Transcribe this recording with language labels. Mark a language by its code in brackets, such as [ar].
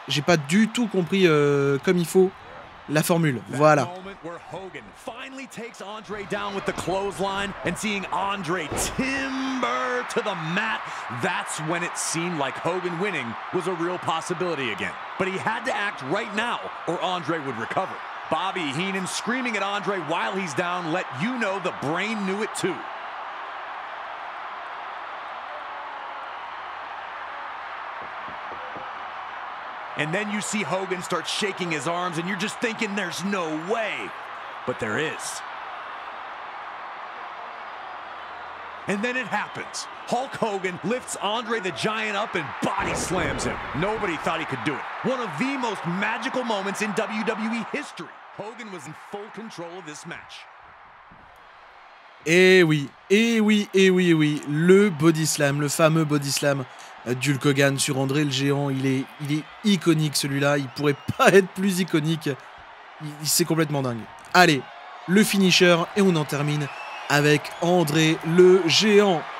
[fr] J'ai pas du tout compris comme il faut. La formule, voilà. [en] Hogan finally takes Andre down with the clothesline and seeing Andre timber to the mat, that's when it seemed like Hogan winning was a real possibility again. But he had to act right now or Andre would recover. Bobby Heenan screaming at Andre while he's down let you know the brain knew it too. And then you see Hogan start shaking his arms and you're just thinking there's no way. But there is. And then it happens. Hulk Hogan lifts Andre the Giant up and body slams him. Nobody thought he could do it. One of the most magical moments in WWE history. Hogan was in full control of this match. [fr] Eh oui. Le body slam, le fameux body slam d'Hulk Hogan sur André le Géant. Il est iconique celui-là. Il pourrait pas être plus iconique. C'est complètement dingue. Allez, le finisher et on en termine avec André le Géant.